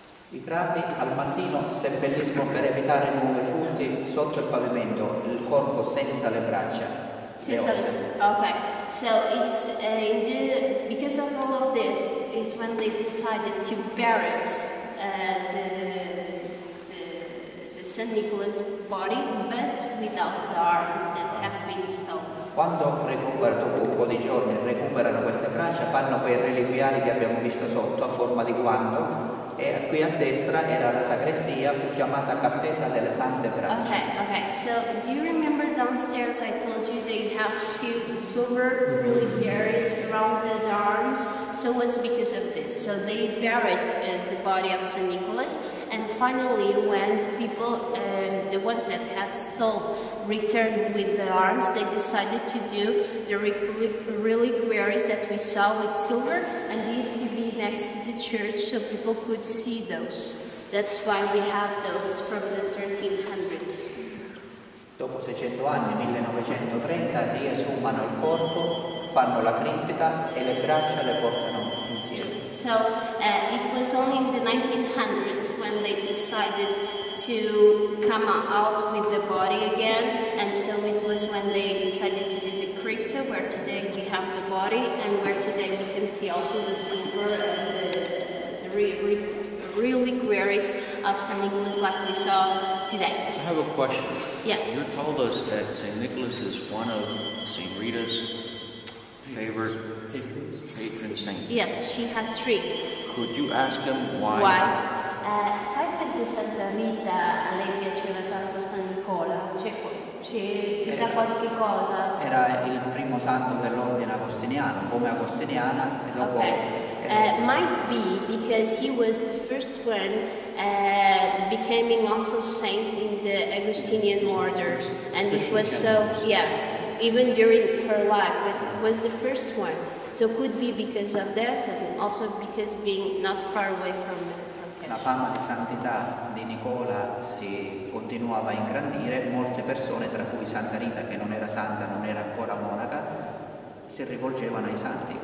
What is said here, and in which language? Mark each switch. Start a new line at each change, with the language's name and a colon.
Italian: I frati al mattino seppelliscono per evitare nuove furti sotto il pavimento, il corpo senza le braccia.
English: Okay, so it's because of all of this is when they decided to bury it at Saint Nicholas' body, but without the arms that have been stolen.
Italian: Quando recupera, dopo un po' di giorni, recuperano queste braccia, fanno quei reliquiari che abbiamo visto sotto, a forma di guanto, e qui a destra era la sacrestia, fu chiamata cappella delle sante braccia.
English: Okay. So, do you remember downstairs I told you they have silver reliquiaries around the arms? So it was because of this. So they buried the body of Saint Nicholas, and finally, when people, the ones that had stolen, returned with the arms, they decided to do the reliquaries that we saw with silver, and they used to be next to the church so people could see those. That's why we have those from the 1300s.
Italian: Dopo 600 anni, 1930, riesumano il corpo, fanno la cripta e le braccia le portano.
English: So it was only in the 1900s when they decided to come out with the body again, and so it was when they decided to do the crypta, where today we have the body and where today we can see also the silver and the reliquaries of Saint Nicholas, like we saw today. I have a question. Yes. You told us that Saint Nicholas is one of Saint Rita's favorite patron saints. Yes, she had three. Could you ask him why? Why?
Italian: Sai perché Santa Rita le piaceva tanto San Nicola? Si sa qualche cosa? Era il primo santo dell'ordine agostiniano, come agostiniana, e dopo.
English: Okay. Might be because he was the first one becoming also saint in the Augustinian order, and it was so, yeah, even during her life, but it was the first one. So could be because of that, and also because being not far away from Cascia.
Italian: La fama di santità di Nicola si continuava a ingrandire, molte persone, tra cui Santa Rita, che non era santa, non era ancora monaca, si rivolgevano ai santi.